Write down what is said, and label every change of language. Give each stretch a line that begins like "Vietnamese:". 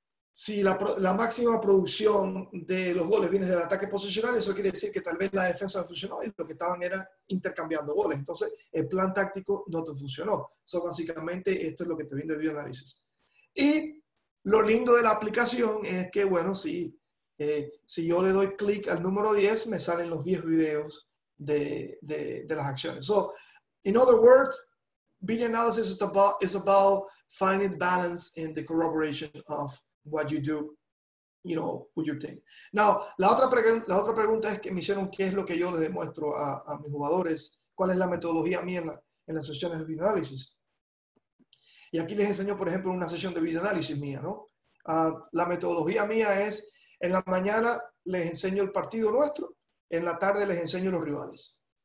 Spanish: Si la máxima producción de los goles viene del ataque posicional, eso quiere decir que tal vez la defensa no funcionó y lo que estaban era intercambiando goles. Entonces, el plan táctico no te funcionó. Eso básicamente, esto es lo que te viene del bioanálisis. Y lo lindo de la aplicación es que, bueno, si yo le doy clic al número 10, me salen los 10 videos de las acciones.
English: So, in other words, video analysis is about finding balance in the corroboration of what you do, you know, with your team.
Spanish: Now, la otra pregunta es que me hicieron qué es lo que yo les demuestro a mis jugadores, cuál es la metodología mía en las sesiones de video análisis. Y aquí les enseño, por ejemplo, una sesión de video análisis mía, ¿no? La metodología mía es, en la mañana les enseño el partido nuestro, en la tarde les enseño los rivales.